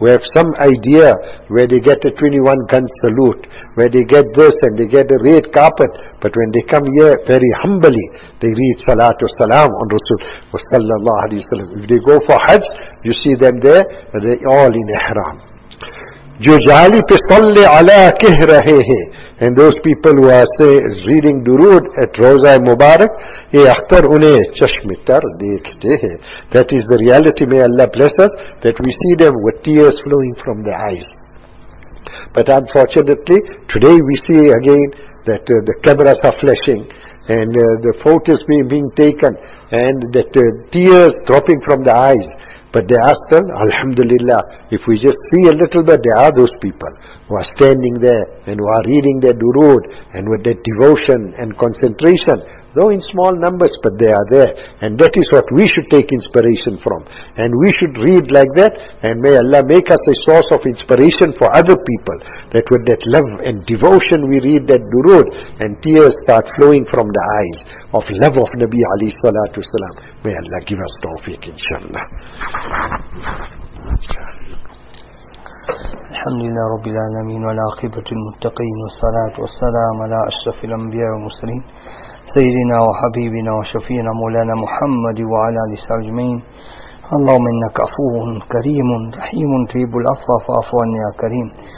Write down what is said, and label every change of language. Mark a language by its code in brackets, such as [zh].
[en] We have some idea where they get a 21-gun salute, where they get this and they get a red carpet, but when they come here very humbly, they read Salatu Salam on Rasul Sallallahu Alaihi Wasallam. If they go for Hajj, you see them there, they're all in Ihram. [ur] جو جالی پہ صلی علی کہہ رہے ہیں, [en] and those people who are reading durood at Rauza Mubarak, [ur] یہ اختر انہیں چشم تر دیکھتے ہیں. [en] That is the reality. May Allah bless us that we see them with tears flowing from their eyes. But unfortunately, today we see again that the cameras are flashing, and the photos being taken, and that tears dropping from the eyes. But they are still, alhamdulillah, if we just see a little bit, there are those people who are standing there and who are reading their durood, and with that devotion and concentration, though in small numbers, but they are there. And that is what we should take inspiration from. And we should read like that, and may Allah make us a source of inspiration for other people, that with that love and devotion we read that durood, and tears start flowing from the eyes of love of Nabi alayhi salatu wasalam. May Allah give us tawfiq, inshallah. [ar] الحمد لله رب العالمين والعاقبة المتقين والصلاة والسلام على أشرف الأنبياء والمرسلين سيدنا وحبيبنا وشفينا مولانا محمد وعلى آله وصحبه أجمعين. اللهم إنك عفو كريم رحيم تحب العفو فاعف عنا يا كريم.